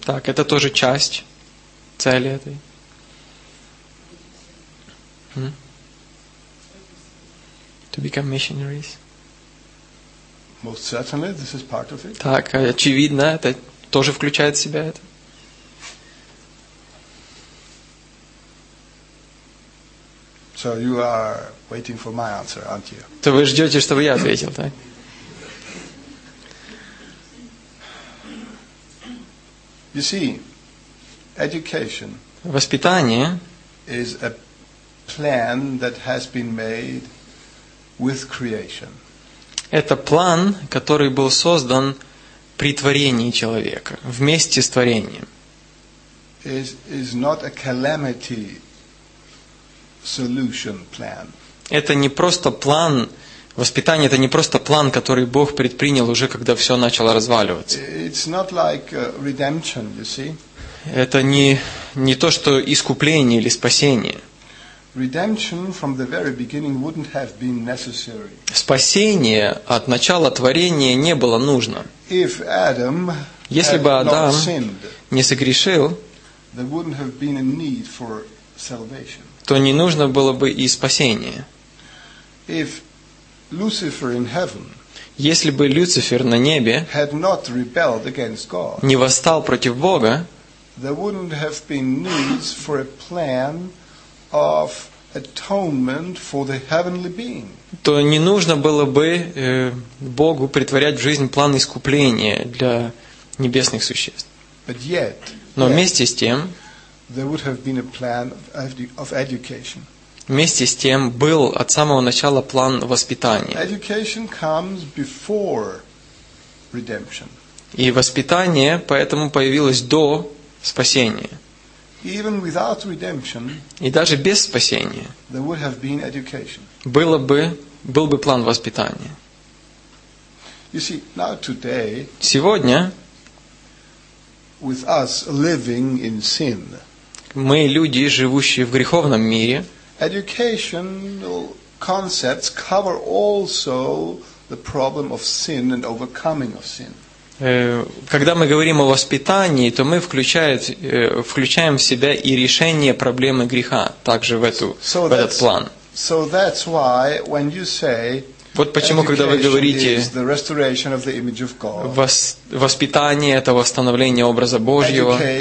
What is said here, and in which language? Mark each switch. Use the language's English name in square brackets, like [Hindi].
[Russian] Так, это тоже часть цели этой. [English] To become missionaries. Most certainly, this is part of it. [Russian] Так, очевидно, это тоже включает в себя это. [English] So you are waiting for my answer, aren't you? [Russian] То вы ждете, чтобы я ответил, да? [English] You see, education. [Russian] Воспитание. [English] Is a plan that has been made with creation. [Russian] Это план, который был создан при творении человека, вместе с творением. [English] Is not a calamity. Solution plan. [Russian] Это не просто план воспитания, это не просто план, который Бог предпринял уже, когда все начало разваливаться. [English] It's not like redemption, you see. [Russian] Это не то, что искупление или спасение. [English] Redemption from the very beginning wouldn't have been necessary. [Russian] Спасение от начала творения не было нужно. [English] If Adam [Russian] Если [English] had [Russian] бы Адам [English] not sinned, [Russian] не согрешил, [English] there wouldn't have been a need for salvation. [Russian] То не нужно было бы и спасение. [English] If Lucifer in heaven, [Russian] если бы Люцифер на небе [English] had not rebelled against God, [Russian] не восстал против Бога, [English] there wouldn't have been needs for a plan of atonement for the heavenly being. [Russian] То не нужно было бы Богу притворять в жизнь план искупления для небесных существ. [English] But yet, [Russian] но вместе с тем [English] there would have been a plan of education. [Russian] Вместе с тем был от самого начала план воспитания. [English] Education comes before redemption. [Russian] И воспитание поэтому появилось до спасения. [English] Even without redemption, [Russian] и даже без спасения [English] there would have been education. [Russian] Было бы был бы план воспитания. [English] You see, now today, [Russian] сегодня [English] with us living in sin, [Russian] мы люди, живущие в греховном мире, [English] educational concepts cover also the problem of sin and overcoming of sin. [Russian] Когда мы говорим о воспитании, то мы включаем в себя и решение проблемы греха также в этот план. [English] So that's why when you say, [Russian] вот почему, когда вы говорите, воспитание – это восстановление образа Божьего.